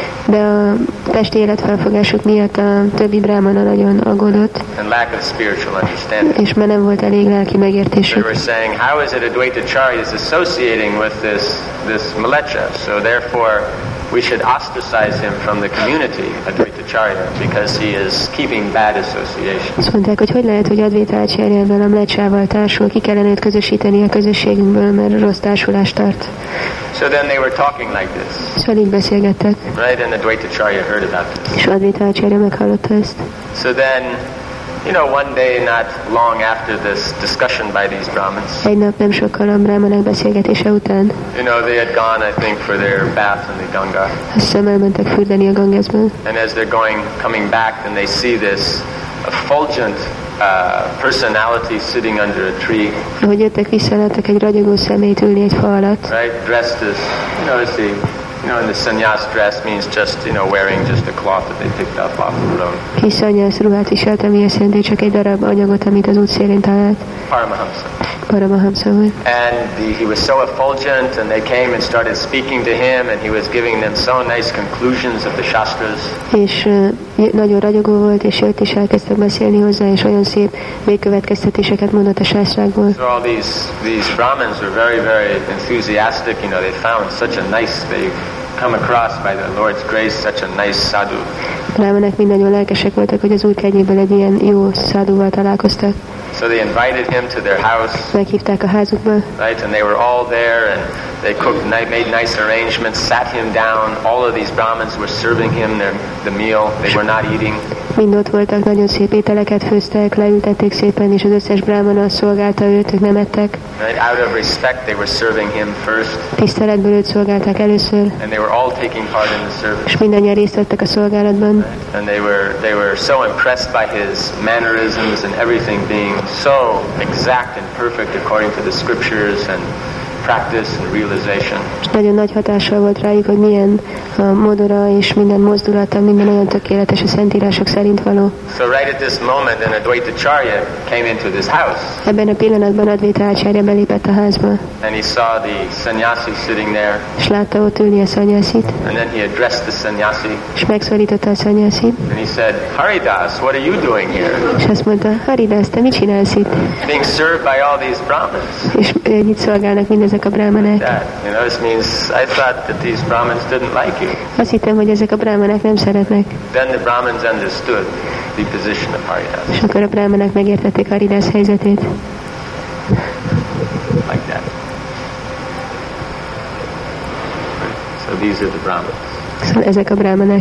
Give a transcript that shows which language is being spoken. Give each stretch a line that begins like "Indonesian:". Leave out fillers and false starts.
Hungarian: De a testi életfelfogásuk miatt a többi brahmana nagyon aggódott.
English: And lack of spiritual understanding.
Hungarian: És mert nem volt elég lelki megértésük.
English: They were saying, how is it Advaitacharya is associating with this Malecha? So therefore, we should ostracize him from the community, Advaitacharya, because he is keeping bad association.
Hungarian: Azt mondták, hogy hogy lehet, hogy Advaitacharyával, a Malechával társul, ki kellene őt közösíteni a közösségünkből, mert rossz társulást tart.
English: So then they were talking like this.
Hungarian: Szóval így beszélgettek.
English: Right, and Advaitacharya heard about this.
Hungarian: És Advaitacharya meghallotta ezt.
English: So then You know, one day not long after this discussion by these Brahmins.
Hungarian: Egy nap nem sokkal a brahmanok beszélgetése után.
English: You know, they had gone, I think, for their bath in the Ganga.
Hungarian: Azt hiszem, elmentek fürdeni a Gangesbe.
English: And as they're coming back, then they see this effulgent personality sitting under a tree.
Hungarian: Ahogy jöttek vissza, láttak egy ragyogó személyt ülni egy fa alatt.
English: Right, dressed as, you know, as the, you know, and the sannyas dress means just, you know, wearing just a cloth that they picked up off the road.
Hungarian: Kis sannyas ruhát viselt, ami azt jelenti, csak egy darab anyagot, amit az útszélén talált.
English: Paramahamsa. And he was so effulgent, and they came and started speaking to him, and he was giving them so nice conclusions of the shastras.
Hungarian: És nagyon ragyogó volt, és jött is elkezdtek beszélni hozzá, és olyan szép végkövetkeztetéseket mondott a sásrákból.
English: So all these brahmins were very, very enthusiastic. You know, they found such a nice, they come across by the Lord's grace such a nice sadhu.
Hungarian: Brahmanek mind nagyon lelkesek voltak, hogy az Úr kegyéből egy ilyen jó sadhuval találkoztak.
English: So they invited him to their house.
Hungarian: Meghívták a házukba.
English: Right, and they were all there, and they cooked, made nice arrangements, sat him down. All of these brahmins were serving him the meal. They were not eating.
Hungarian: Mind ott voltak, nagyon szép ételeket főztek, leültették szépen, és az összes brahmana szolgálta őt, ők nem ettek.
English: Right, out of respect, they were serving him first.
Hungarian: Tiszteletből őt szolgálták először.
English: And they were all taking part in the service.
Hungarian: És mindannyian részt vettek a szolgálatban.
English: Right, and they were so impressed by his mannerisms and everything being so exact and perfect according to the scriptures and practice and realization.
Hungarian: Nagyon nagy hatással volt rájuk, hogy milyen a modora és minden mozdulata, minden olyan tökéletes a szentírások szerint való.
English: So right at this moment, an Advaita Acharya came into this house.
Hungarian: Ebben a pillanatban Advaita Acharya belépett a házba.
English: And he saw the sannyasi sitting there.
Hungarian: És látta ott ülni a sannyasit.
English: And then he addressed the sannyasi.
Hungarian: És megszólította a sannyasit.
English: And he said, Haridas, what are you doing here?
Hungarian: És azt mondta, Haridas, te mit csinálsz itt?
English: Being served by all these brahmins.
Hungarian: És mit szolgálnak ezek a brahmanek.
English: That, you know, this means I thought that these brahmins didn't like you.
Hungarian: Azt hittem, hogy ezek a brahmanek nem szeretnek.
English: Then the brahmins understood the position of Haridas.
Hungarian: És akkor a brahmanek megértették Haridas helyzetét.
English: Like that. So these are the brahmins.
Hungarian: Szóval ezek a brahmanek.